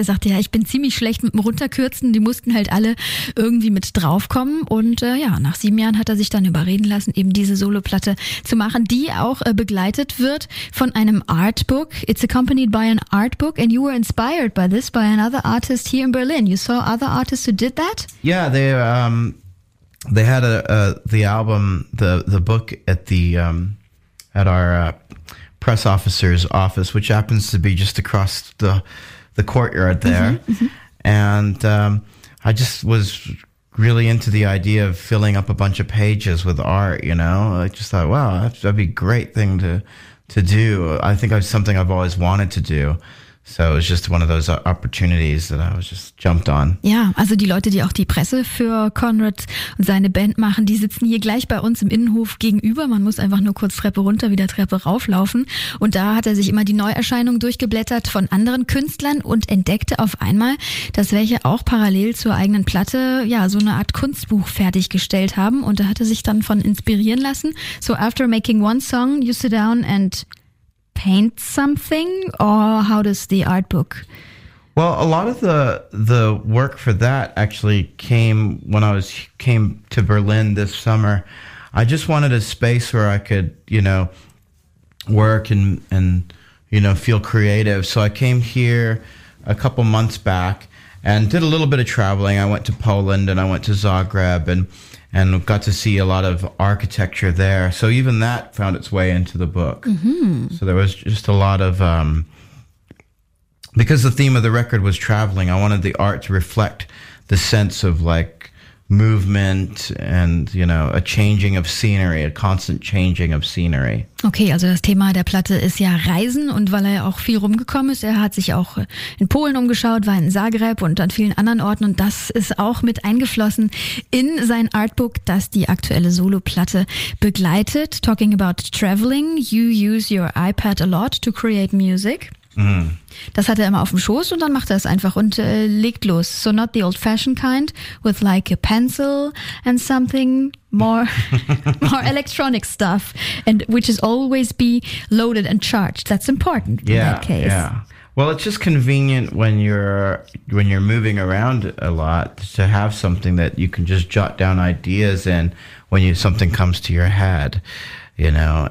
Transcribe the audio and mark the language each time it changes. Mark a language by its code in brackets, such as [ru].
[de] Er sagte, ja, ich bin ziemlich schlecht mit dem Runterkürzen. Die mussten halt alle irgendwie mit draufkommen. Und nach 7 Jahren hat er sich dann überreden lassen, eben diese Soloplatte zu machen, die auch begleitet wird von einem Artbook. [en] It's accompanied by an artbook and you were inspired by this by another artist here in Berlin. You saw other artists who did that? Yeah, they had the album, the book at the at our press officer's office, which happens to be just across the courtyard there. And I just was really into the idea of filling up a bunch of pages with art, you know. I just thought, wow, that'd be a great thing to do. I think it's something I've always wanted to do. So it was just one of those opportunities that I was just jumped on. [de] Ja, also die Leute, die auch die Presse für Konrad und seine Band machen, die sitzen hier gleich bei uns im Innenhof gegenüber. Man muss einfach nur kurz Treppe runter, wieder Treppe rauflaufen. Und da hat er sich immer die Neuerscheinung durchgeblättert von anderen Künstlern und entdeckte auf einmal, dass welche auch parallel zur eigenen Platte ja so eine Art Kunstbuch fertiggestellt haben. Und da hat er sich dann von inspirieren lassen. [en] So after making one song, you sit down and paint something, or how does the art book? Well, a lot of the work for that actually came when I came to Berlin this summer. I just wanted a space where I could, you know, work and you know, feel creative. So I came here a couple months back and did a little bit of traveling. I went to Poland and I went to Zagreb and got to see a lot of architecture there. So even that found its way into the book. Mm-hmm. So there was just a lot of, because the theme of the record was traveling, I wanted the art to reflect the sense of like movement and, you know, a changing of scenery, a constant changing of scenery. [de] Okay, also das Thema der Platte ist ja Reisen, und weil er ja auch viel rumgekommen ist, er hat sich auch in Polen umgeschaut, war in Zagreb und an vielen anderen Orten, und das ist auch mit eingeflossen in sein Artbook, das die aktuelle Solo-Platte begleitet. [en] Talking about traveling, you use your iPad a lot to create music. Mm. [de] Das hat er immer auf dem Schoß und dann macht er es einfach und legt los. [en] So not the old fashioned kind, with like a pencil and something more electronic stuff, and which is always be loaded and charged. That's important in yeah, that case. Yeah. Well, it's just convenient when you're moving around a lot to have something that you can just jot down ideas in when something comes to your head, you know.